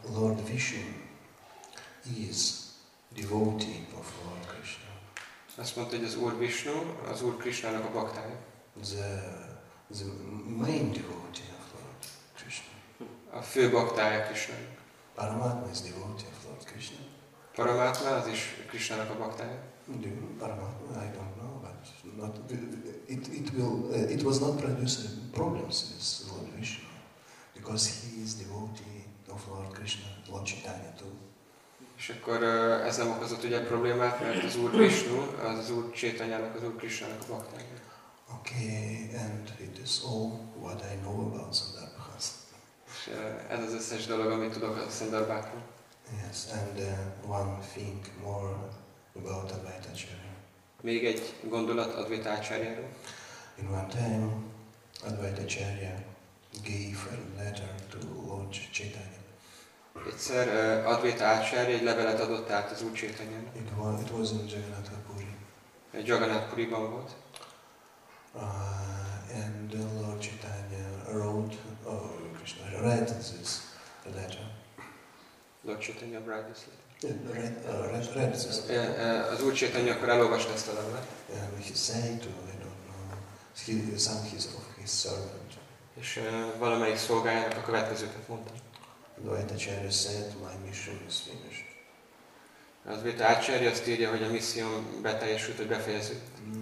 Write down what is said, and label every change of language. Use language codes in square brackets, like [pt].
[en] Lord Vishnu is devotee of Lord Krishna. [hu] Azt mondta, hogy az Úr Vishnu az Úr Krishnának a bhaktája. [en] The main devotee of Lord Krishna. [hu] A fő bhaktája Krishnának. [en] Paramatma is devotee of Lord Krishna. [hu] Paramatma az is Krishnának a bhaktája. [en] Paramatma, I don't know, but not, it was not producing problems with Lord Vishnu, because he is devotee of Lord Krishna, Lord Chaitanya too. [hu] És akkor ez nem okozott ugye problémát, mert az Úr Vishnu az Úr Chaitanyának, az Úr Krishnának a bhaktája. [en] Okay, and it is all what I know about Sandarbha. [hu] Ez az összes dolog, amit tudok a Sandarbhákról. [en] Yes, and one thing more about Advaita Acharya. [hu] Még egy gondolat Advaita Acharyáról. [en] In one time, Advaita Acharya gave a letter to Lord Chaitanya. [hu] Egyszer Advaita Acharya egy levelet adott át az Úr Chaitanyának. [en] It was in Jagannatha Puri. [hu] Jagannatha Puriban volt. [en] And Lord Chaitanya wrote, or Krishna read this letter. Lord Chaitanya read this letter. Read this letter. [hu] Az Úr Chaitanya akkor elolvasta ezt a levelet. [en] He said to, I don't know, his servant. [hu] És valamelyik szolgájának a következőket mondta. [en] Advaita Acharya said, my mission is finished. [hu] Az Advaita Acharya azt írja, hogy a misszióm beteljesült, hogy befejeződött.